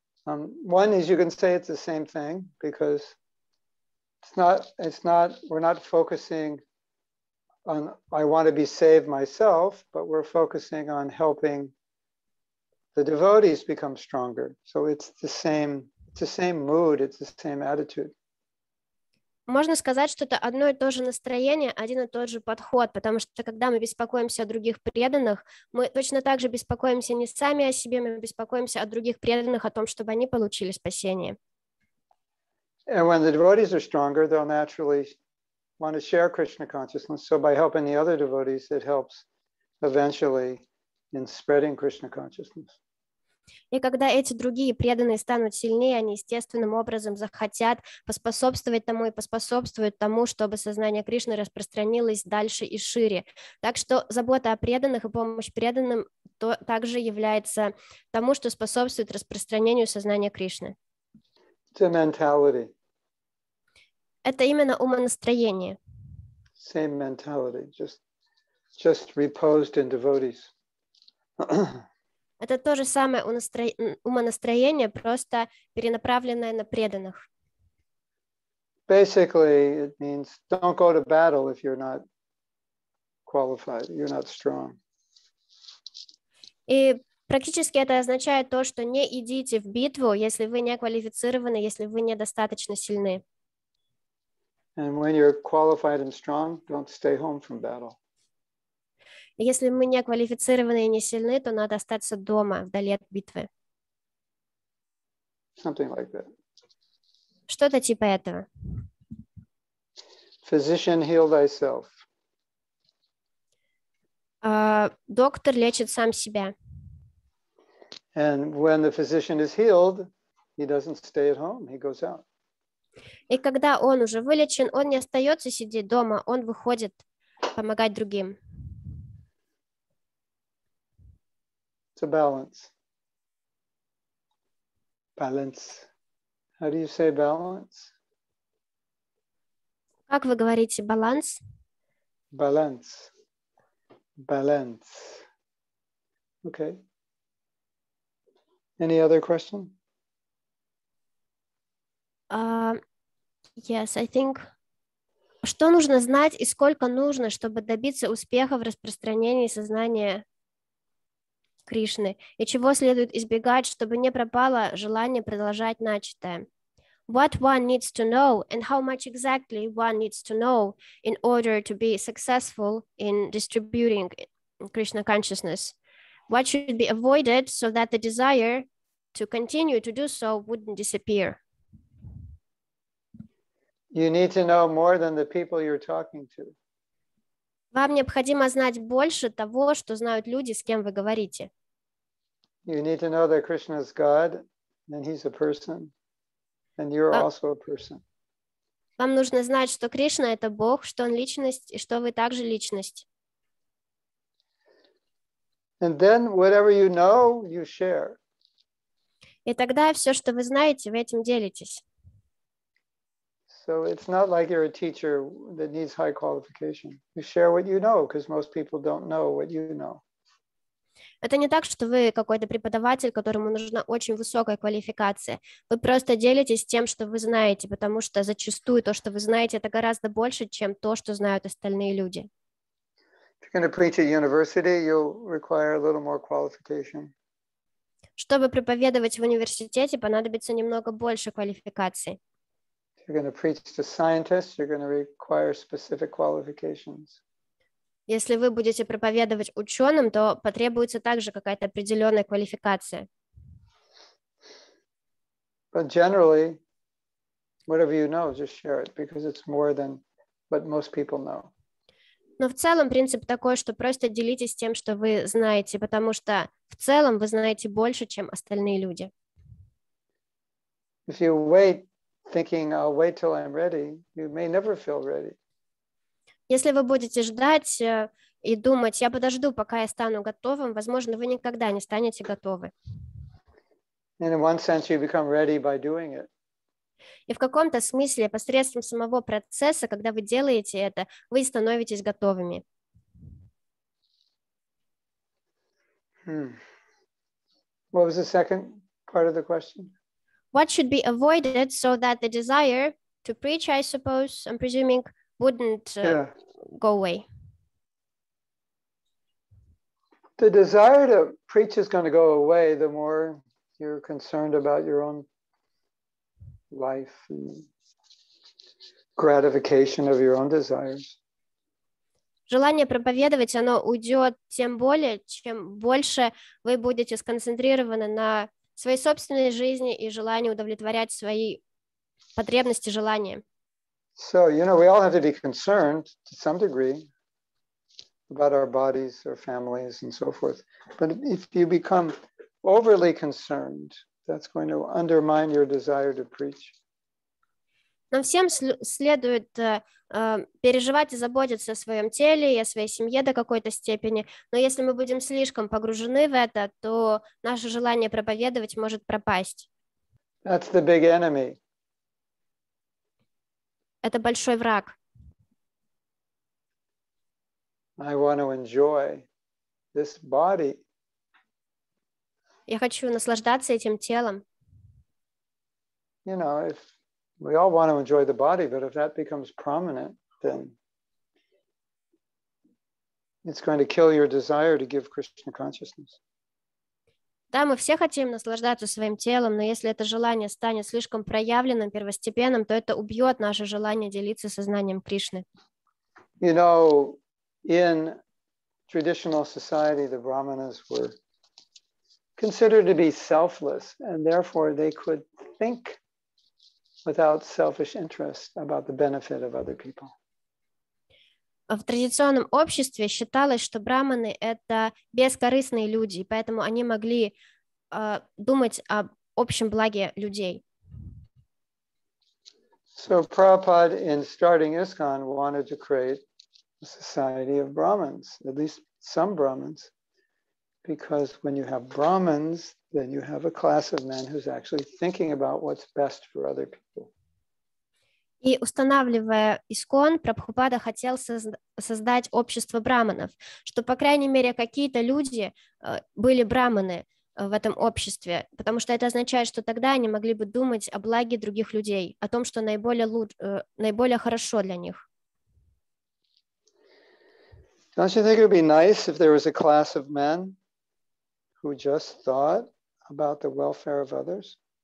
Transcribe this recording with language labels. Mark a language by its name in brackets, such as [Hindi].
[English] One is you can say it's the same thing because we're not focusing on, I want to be saved myself, but we're focusing on helping the devotees become stronger. So it's the same mood, it's the same attitude. [Russian] Можно сказать, что это одно и то же настроение, один и тот же подход, потому что когда мы беспокоимся о других преданных, мы точно так же беспокоимся не сами о себе, мы беспокоимся о других преданных, о том, чтобы они получили спасение. [English] And when the devotees are stronger, they'll naturally want to share Krishna consciousness. So by helping the other devotees, it helps eventually in spreading Krishna consciousness. [Russian] И когда эти другие преданные станут сильнее, они естественным образом захотят поспособствовать тому и поспособствуют тому, чтобы сознание Кришны распространилось дальше и шире. Так что забота о преданных и помощь преданным также является тому, что способствует распространению сознания Кришны. [English] It's a mentality. [Russian] Это именно умонастроение. [English] Same mentality, just reposed in devotees. [Russian] Это то же самое умонастроение, просто перенаправленное на преданных. [English] Basically, it means don't go to battle if you're not qualified, you're not strong. [Russian] И практически это означает то, что не идите в битву, если вы не квалифицированы, если вы недостаточно сильны. [English] And when you're qualified and strong, don't stay home from battle. [Russian] Если мы не квалифицированы и не сильны, то надо остаться дома, вдали от битвы. [English] Something like that. [Russian] Что-то типа этого. [English] Physician, heal thyself. [Russian] Доктор лечит сам себя. [English] And when the physician is healed, he doesn't stay at home, he goes out. [Russian] И когда он уже вылечен, он не остается сидеть дома, он выходит помогать другим. [English] It's a balance. Balance. How do you say balance? [Russian] Как вы говорите баланс? [English] Balance. Balance. Okay. Any other question? Yes, I think. [Russian] Что нужно знать и сколько нужно, чтобы добиться успеха в распространении сознания Кришны? И чего следует избегать, чтобы не пропало желание продолжать начатое? [English] What one needs to know and how much exactly one needs to know in order to be successful in distributing Krishna consciousness? What should be avoided so that the desire to continue to do so wouldn't disappear? You need to know more than the people you're talking to. [Russian] Вам необходимо знать больше того, что знают люди, с кем вы говорите. [English] You need to know that Krishna is God, and he's a person, and you're also a person. [Russian] Вам нужно знать, что Кришна — это Бог, что он личность, и что вы также личность. [English] And then whatever you know, you share. [Russian] И тогда все, что вы знаете, вы этим делитесь. [English] So it's not like you're a teacher that needs high qualification. You share what you know, because most people don't know what you know. [Russian] Это не так, что вы какой-то преподаватель, которому нужна очень высокая квалификация. Вы просто делитесь тем, что вы знаете, потому что зачастую то, что вы знаете, это гораздо больше, чем то, что знают остальные люди. [English] If you're going to preach at university, you'll require a little more qualification. [Russian] Чтобы проповедовать в университете, понадобится немного больше квалификации. [English] If you're going to preach to scientists, you're going to require specific qualifications. [Russian] Если вы будете проповедовать ученым, то потребуется также какая-то определенная квалификация. [English] But generally, whatever you know, just share it, because it's more than what most people know. [Russian] Но в целом принцип такой, что просто делитесь тем, что вы знаете, потому что в целом вы знаете больше, чем остальные люди. [English] If you wait, thinking, I'll wait till I'm ready, you may never feel ready. [Russian] Если вы будете ждать и думать, я подожду, пока я стану готовым, возможно, вы никогда не станете готовы. [English] In one sense, you become ready by doing it. [Russian] И в каком-то смысле, посредством самого процесса, когда вы делаете это, вы становитесь готовыми. [English] What was the second part of the question? What should be avoided so that the desire to preach, I suppose, I'm presuming, wouldn't go away? The desire to preach is going to go away the more you're concerned about your own life and gratification of your own desires. [Russian] Желание проповедовать, оно уйдет тем более, чем больше вы будете сконцентрированы на своей собственной жизни и желании удовлетворять свои потребности, желания. [English] So, you know, we all have to be concerned to some degree about our bodies, our families, and so forth. But if you become overly concerned, that's going to undermine your desire to preach. [Russian] Нам всем следует переживать и заботиться о своем теле и о своей семье до какой-то степени. Но если мы будем слишком погружены в это, то наше желание проповедовать может пропасть. [English] That's the big enemy. [Russian] Это большой враг. [English] I want to enjoy this body. [Russian] Я хочу наслаждаться этим телом. [English] You know, if we all want to enjoy the body, but if that becomes prominent, then it's going to kill your desire to give Krishna consciousness. [Russian] Да, мы все хотим наслаждаться своим телом, но если это желание станет слишком проявленным, первостепенным, то это убьет наше желание делиться сознанием Кришны. [English] You know, in traditional society, the brahmanas were considered to be selfless, and therefore they could think without selfish interest about the benefit of other people. [Russian] В традиционном обществе считалось, что брахманы — это бескорыстные люди, поэтому они могли думать об общем благе людей. [English] So Prabhupada, in starting ISKCON, wanted to create a society of Brahmins, at least some Brahmins, because when you have Brahmins, then you have a class of men who's actually thinking about what's best for other people. [Russian] И устанавливая ИСКОН, Прабхупада хотел создать общество брахманов, чтобы, по крайней мере, какие-то люди были брахманы в этом обществе, потому что это означает, что тогда они могли бы думать о благе других людей, о том, что наиболее хорошо для них. [English] Don't you think it would be nice if there was a class of men who just thought about the welfare of others?